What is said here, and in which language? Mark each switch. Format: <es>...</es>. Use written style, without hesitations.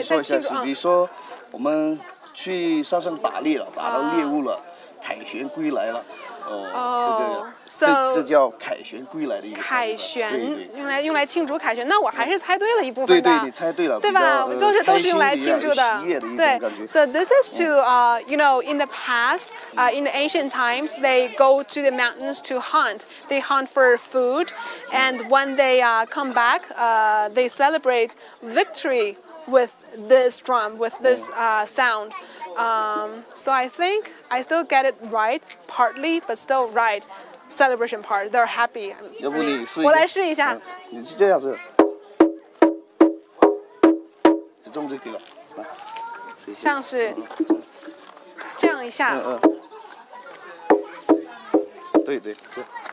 <zh>说一下是，比如说我们去山上打猎了，打到猎物了，凯旋归来了，就这样，</zh> <en>so,</en> <zh>这叫凯旋归来的意思。凯旋，对对，用来庆祝凯旋，那我还是猜对了一部分的。对对，你猜对了，对吧？都是用来庆祝的。</zh> <en>对 ，so this is to you know, in the past, in the ancient times, they go to the mountains to hunt. They hunt for food, and when they come back, they celebrate victory with this drum, with this sound. So I think I still get it right, partly, but still right. Celebration part, they're happy.</en> <zh>要不你试一下，我来试一下。你是这样子，就这么就可以了。来，像是这样一下。对对，是。</zh>